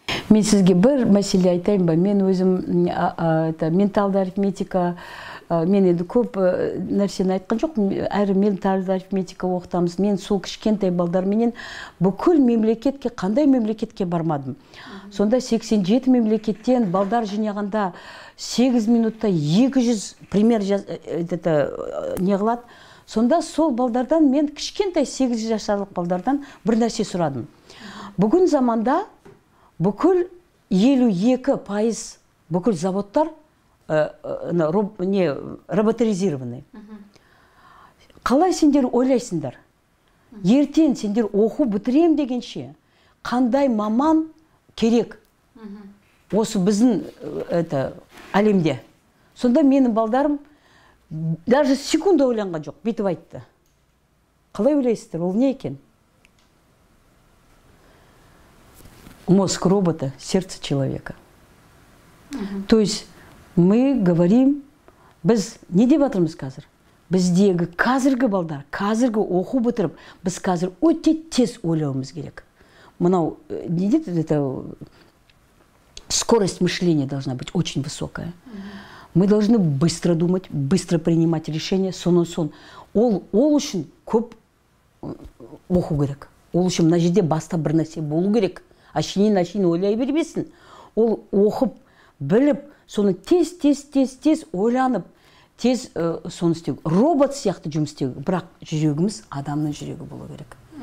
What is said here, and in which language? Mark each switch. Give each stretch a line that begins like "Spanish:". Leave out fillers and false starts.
Kazakh: Мен сізге бір мәселе айтайын ба, мен өзім менталды арифметика, мен енді көп нәрсені айтқан жоқ, әрі менталды арифметика оқытамыз, мен сол кішкентай балдарменен бүкіл мемлекетке, қандай мемлекетке бармадым. Сонда 87 мемлекеттен балдар жинағанда 8 минутта 200 пример неғылады. Сонда сол балдардан, мен кішкентай 800 жасарлық балдардан бір нәрсе сұрадым. Бүгін заманда бүкіл 52% бүкіл заводтар роботизированы. Қалай сендер ойлайсындар? Ертен сендер оқу бітірем дегенше, қандай маман керек осы біздің әлемде? Сонда менің балдарым даже секунда ойланған жоқ, бетіп айтты. Қалай ойлайсыздар, ол не екен?
Russian: Мозг робота, сердце человека. То есть мы говорим,
Kazakh: біз не деп атырмыз қазір? Біздегі қазіргі балдар, қазіргі оқу бітіріп, біз қазір өте тез ойлауымыз керек. Мынау, не деп,
Russian: скорость мышления должна быть очень высокая. Мы должны быстро думать, быстро принимать решения, сон.
Kazakh: Ол үшін көп оқу керек. Ол үшін мына жерде баста бір нәрсе болу керек. Ашинин ойлай бермесін. Ол оқып, біліп, соны тез ойланып, тез соны істеу. Робот сияқты жұмыс істеу, бірақ жүрегіміз адамның жүрегі болу керек.